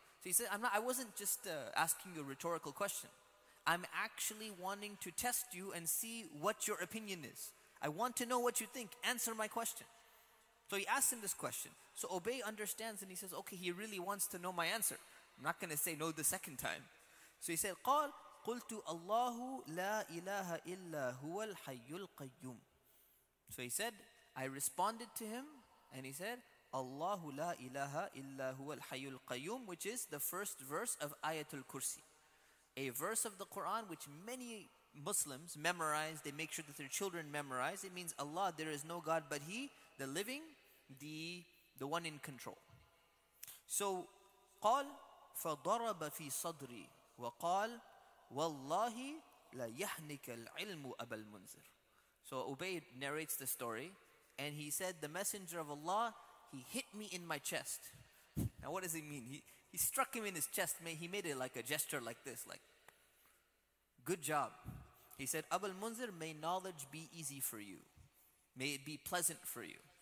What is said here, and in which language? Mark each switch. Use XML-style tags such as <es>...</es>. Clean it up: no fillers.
<en>So he said, I wasn't just asking you a rhetorical question. I'm actually wanting to test you and see what your opinion is. I want to know what you think. Answer my question. So he asked him this question. So Ubay understands, and he says, okay, he really wants to know my answer. I'm not going to say no the second time. So he said,</en> <ar>قال قلت الله لا إله إلا هو الحي القيوم.</ar> <en>So he said, I responded to him, and he said, Allahu la ilaha illa huwa al-hayyul qayyum, which is the first verse of Ayatul Kursi. A verse of the Quran which many Muslims memorize, they make sure that their children memorize. It means, Allah, there is no God but He, the living, the one in control.</en> <ar>So, قال فضرب في صدري وقال والله لا يحنك العلم أبا المنذر.</ar> <en>So Ubay narrates the story, and he said, the Messenger of Allah, he hit me in my chest. Now what does he mean? He struck him in his chest. He made it like a gesture like this. Like, good job. He said, Abu al-Munzir, may knowledge be easy for you. May it be pleasant for you.</en>